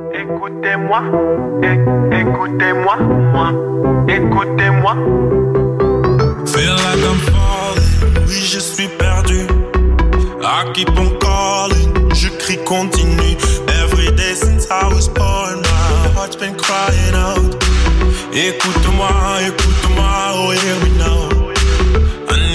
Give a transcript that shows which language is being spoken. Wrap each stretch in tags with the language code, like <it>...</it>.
<fr>Écoutez-moi, moi, écoutez-moi.</fr> <en>Feel like I'm falling,</en> <fr>oui je suis perdu.</fr> <en>I keep on calling,</en> <fr>je crie continue.</fr> <en>Every day since I was born, my heart's been crying out.</en> <fr>Écoute-moi, écoute-moi,</fr> <en>oh hear me now.</en>